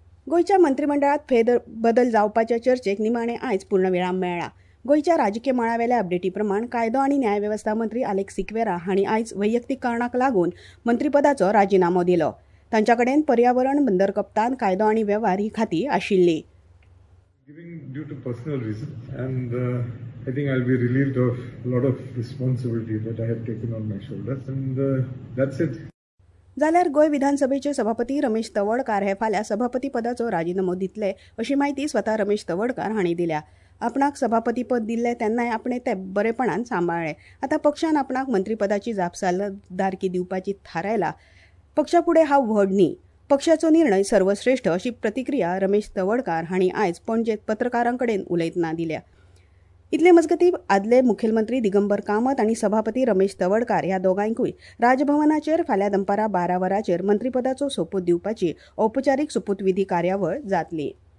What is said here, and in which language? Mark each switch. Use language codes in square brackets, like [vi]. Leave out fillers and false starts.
[gom] गोयच्या मंत्रिमंडळात फेरबदल जावपाच्या चर्चेक निमाणे आयज पूर्णविराम मेळ्ळा. गोयच्या राजकीय मळावेल्या अपडेटी प्रमाण कायदो आणि न्यायव्यवस्था मंत्री आलेक सिक्वेरा हांणी आयज वैयक्तीक कारणाक लागून मंत्रीपदाचो राजिनामो दिलो. तांच्या कडेन पर्यावरण, बंदर कप्तान, कायदो आणि व्यवहार ही खाती आशिल्ली. [en] I think I'll be relieved of a lot of responsibility that I have taken on my shoulders and that's it. [gom] झाल्यार गोय विधानसभेचे सभापती रमेश तवडकर हे फाल्या सभापती पदाचो राजीनामो दितले अशी माहिती स्वतः रमेश तवडकर हांणी दिल्या. आपणाक सभापती पद दिल्ले तेन्नाय आपणे ते बरेपणान सांभाळले. आता पक्षान आपणाक मंत्रीपदाची जापसालदारकी दिवपाची थारायला. पक्षापुढे हा व्हड न्ही, पक्षाचो निर्णय सर्वश्रेष्ठ अशी प्रतिक्रिया रमेश तवडकर हांणी आयज पणजेत पत्रकारांकडेन उलयतना दिल्या. इतले मजगतीं आदले मुखेलमंत्री दिगंबर कामत आनी सभापती रमेश तवडकर ह्या दोगांकूय राजभवनाचेर फाल्यां दनपारां 12 वरांचेर मंत्रीपदाचो सोपूत दिवपाची औपचारीक सोपूतविधी कार्यावळ जातली.